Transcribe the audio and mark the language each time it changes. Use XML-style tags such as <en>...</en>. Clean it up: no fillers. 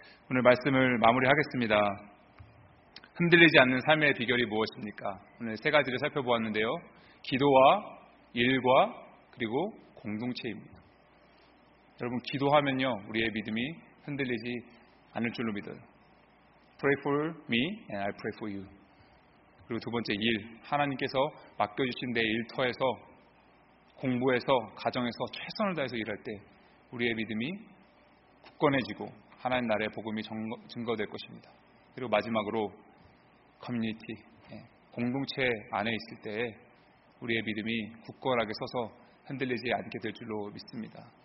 <ko>오늘 말씀을 마무리하겠습니다. 흔들리지 않는 삶의 비결이 무엇입니까? 오늘 세 가지를 살펴보았는데요. 기도와 일과 그리고 공동체입니다. 여러분 기도하면요 우리의 믿음이 흔들리지 않을 줄로 믿어요.</ko> <en>Pray for me and I pray for you.</en> <ko>그리고 두 번째 일, 하나님께서 맡겨주신 내 일터에서 공부해서 가정에서 최선을 다해서 일할 때 우리의 믿음이 굳건해지고 하나님 나라의 복음이 증거될 것입니다. 그리고 마지막으로 커뮤니티, 공동체 안에 있을 때 우리의 믿음이 굳건하게 서서 흔들리지 않게 될 줄로 믿습니다.</ko>